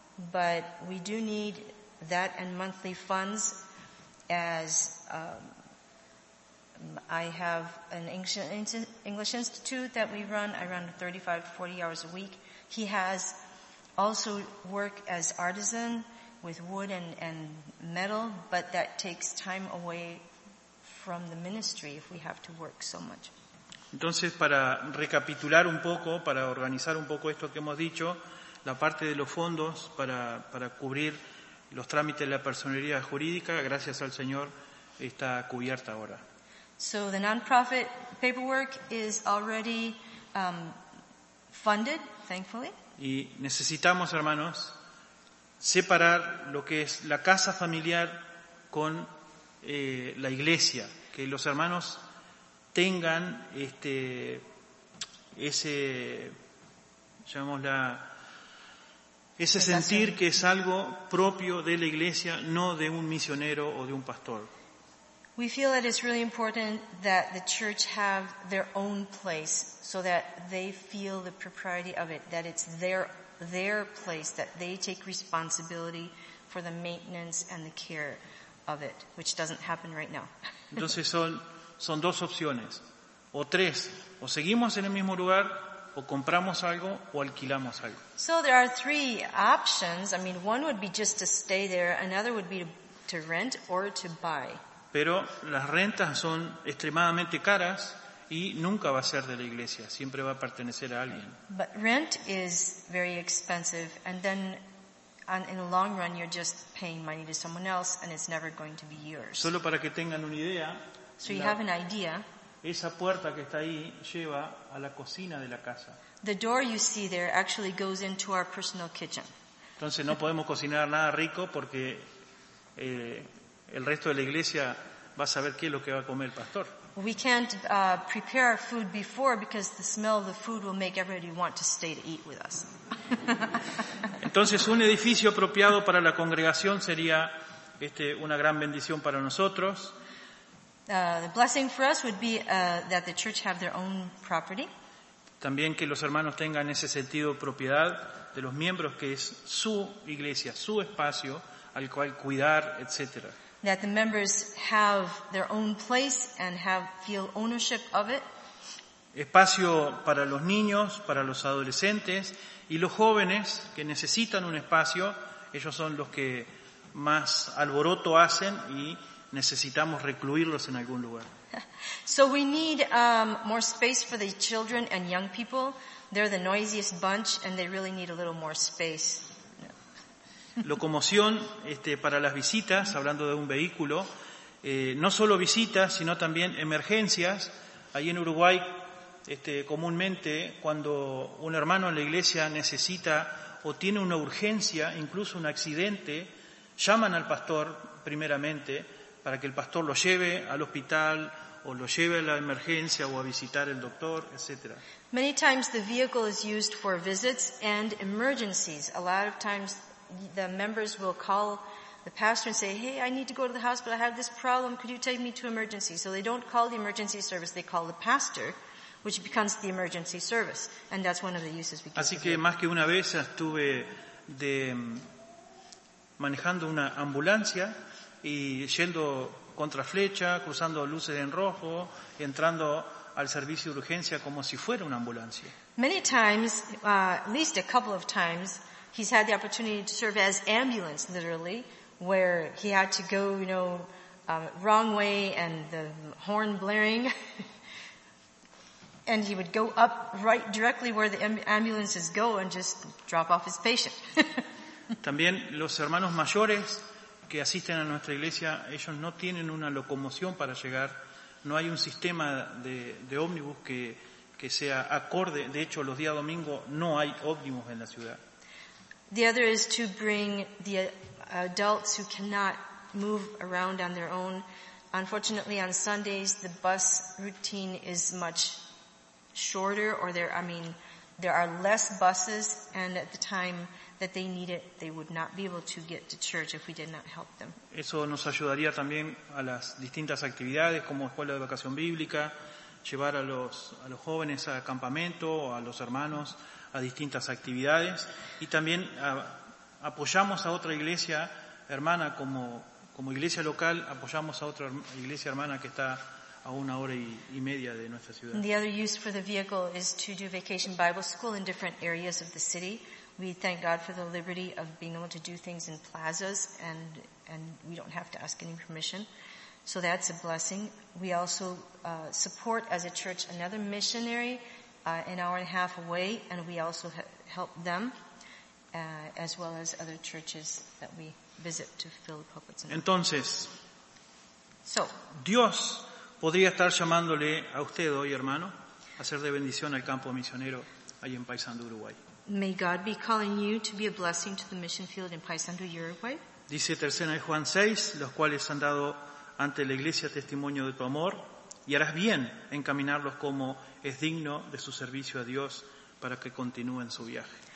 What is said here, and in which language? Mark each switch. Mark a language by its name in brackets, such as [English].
[English] But we do need that and monthly funds, as I have an English institute that we run. I run 35 to 40 hours a week. He has also work as artisan with wood and metal, but that takes time away from the ministry if we have to work so much. [Spanish] Entonces, para recapitular un poco, para organizar un poco esto que hemos dicho, la parte de los fondos para cubrir los trámites de la personería jurídica, gracias al Señor, está cubierta ahora. [English] So the non-profit paperwork is already funded, thankfully. [Spanish] Y necesitamos, hermanos, separar lo que es la casa familiar con la iglesia, que los hermanos tengan ese sentir que es algo propio de la iglesia, no de un misionero o de un pastor. [English] We feel that it's really important that the church have their own place so that they feel the propriety of it, that it's their place, that they take responsibility for the maintenance and the care of it, which doesn't happen right now. [Spanish] Entonces son dos opciones, o tres, o seguimos en el mismo lugar, o compramos algo, o alquilamos algo. [English] So there are three options. I mean, one would be just to stay there, another would be to rent or to buy. [Spanish] Pero las rentas son extremadamente caras y nunca va a ser de la iglesia, siempre va a pertenecer a alguien. [English] But rent is very expensive, and then and in the long run you're just paying money to someone else and it's never going to be yours. [Spanish] Solo para que tengan una idea. [English] So you have an idea. [Spanish] Esa puerta que está ahí lleva a la cocina de la casa. [English] The door you see there actually goes into our personal kitchen. [Spanish] Entonces no podemos cocinar nada rico porque el resto de la iglesia va a saber qué es lo que va a comer el pastor. [English] We can't prepare our food before because the smell of the food will make everybody want to stay to eat with us. [Spanish] Entonces un edificio apropiado para la congregación sería una gran bendición para nosotros. [English] The blessing for us would be that the church have their own property. [Spanish] También que los hermanos tengan ese sentido de propiedad de los miembros, que es su iglesia, su espacio al cual cuidar, etc. [English] That the members have their own place and have feel ownership of it. [Spanish] Espacio para los niños, para los adolescentes y los jóvenes que necesitan un espacio. Ellos son los que más alboroto hacen y necesitamos recluirlos en algún lugar. [English] So we need more space for the children and young people. They're the noisiest bunch and they really need a little more space. [Spanish] Locomoción para las visitas, hablando de un vehículo, no solo visitas sino también emergencias. Ahí en Uruguay comúnmente cuando un hermano en la iglesia necesita o tiene una urgencia, incluso un accidente, llaman al pastor primeramente para que el pastor lo lleve al hospital o lo lleve a la emergencia o a visitar el doctor, etcétera. [English] Many times the vehicle is used for visits and emergencies. A lot of times the members will call the pastor and say, hey, I need to go to the hospital, I have this problem, could you take me to emergency? So they don't call the emergency service, they call the pastor, which becomes the emergency service, and that's one of the uses we can. [Spanish] Así que más que una vez estuve manejando una ambulancia y yendo contra flecha, cruzando luces en rojo, entrando al servicio de urgencia como si fuera una ambulancia. [English] Many times, at least a couple of times, he's had the opportunity to serve as ambulance, literally, where he had to go, you know, wrong way and the horn blaring, and he would go up right directly where the ambulances go and just drop off his patient. [Spanish] También los hermanos mayores que asisten a nuestra iglesia, ellos no tienen una locomoción para llegar, no hay un sistema de ómnibus que sea acorde. De hecho, los días domingos no hay ómnibus en la ciudad. [English] The other is to bring the adults who cannot move around on their own. Unfortunately, on Sundays, the bus routine is much shorter, there are less buses, and at the time that they need it, they would not be able to get to church if we did not help them. [Spanish] Eso nos ayudaría también a las distintas actividades, como escuela de vacación bíblica, llevar a los jóvenes a campamento, o a los hermanos a distintas actividades, y también apoyamos a otra iglesia hermana como iglesia local, apoyamos a otra iglesia hermana que está a una hora y media de nuestra ciudad. [English] The other use for the vehicle is to do vacation Bible school in different areas of the city. We thank God for the liberty of being able to do things in plazas and we don't have to ask any permission. So that's a blessing. We also support as a church another missionary an hour and a half away, and we also help them as well as other churches that we visit to fill the pulpits. [Spanish] Entonces, [English] so, [Spanish] Dios podría estar llamándole a usted hoy, hermano, a ser de bendición al campo misionero ahí en Paysandú, Uruguay. [English] May God be calling you to be a blessing to the mission field in Paysandú, Uruguay. [Spanish] Dice Tercera de Juan 6, los cuales han dado ante la iglesia testimonio de tu amor, y harás bien en caminarlos como es digno de su servicio a Dios para que continúen su viaje.